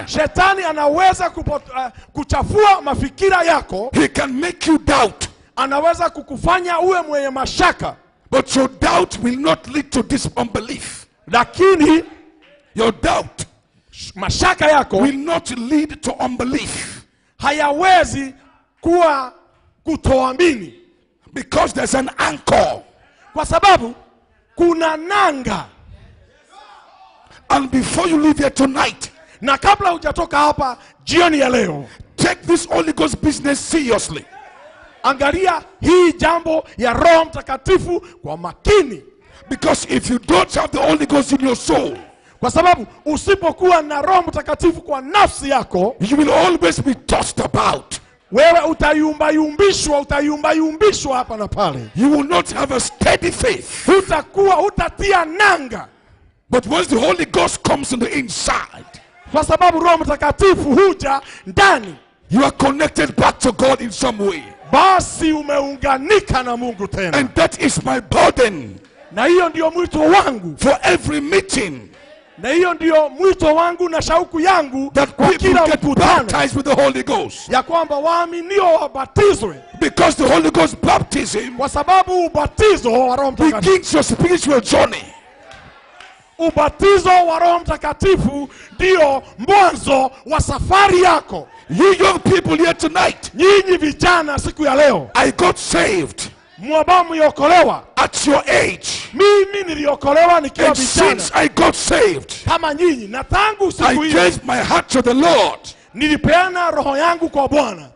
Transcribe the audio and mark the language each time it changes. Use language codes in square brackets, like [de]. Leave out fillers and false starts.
[sw] Shetani anaweza kuchafua mafikira yako. [en] He can make you doubt. [sw] Anaweza kukufanya uwe mwenye mashaka. [en] But your doubt will not lead to this unbelief. [sw] Lakini [en] your doubt, [sw] mashaka yako, [en] will not lead to unbelief. [sw] Hayawezi kuwa kutoamini. [en] Because there's an anchor. [sw] Kwa sababu, kuna nanga. [en] And before you leave here tonight, [sw] na kabla hujatoka hapa, jioni ya leo, [en] take this Holy Ghost business seriously. [sw] Angalia hii jambo ya Roho Mtakatifu kwa makini. [en] Because if you don't have the Holy Ghost in your soul, [sw] kwa sababu usipokuwa na Roho Mtakatifu kwa nafsi yako, [en] you will always be tossed about. [sw] Wewe utayumbayumbishwa, utayumbayumbishwa hapa na pale. [en] You will not have a steady faith. [sw] Utakuwa, utatia nanga. [en] But once the Holy Ghost comes on the inside, [sw] kwa sababu Roho Mtakatifu huja ndani, [en] you are connected back to God in some way. [sw] Basi umeunganika na Mungu tena. [en] And that is my burden. [sw] Na hiyo ndiyo mwito wangu. [en] For every meeting. [sw] Na hiyo ndiyo mwito wangu na shauku yangu [en] that people get baptized with the Holy Ghost. [sw] Ya kwamba waaminio wabatizwe. [en] Because the Holy Ghost baptism [sw] kwa sababu ubatizo wa Roho Mtakatifu [en] begins your spiritual journey. [sw] Ubatizo wa Roho Mtakatifu ndio mwanzo wa safari yako. [en] You young people here tonight, [sw] nyinyi vijana siku ya leo, [en] I got saved [sw] mwabamu yokolewa [en] at your age. [sw] Mimi niliokolewa nikiwa [en] vijana. Since I got saved, [sw] kama nyinyi, na tangu siku [en] hiyo, I gave my heart to the Lord. [sw] Nilipeana roho yangu kwa Bwana.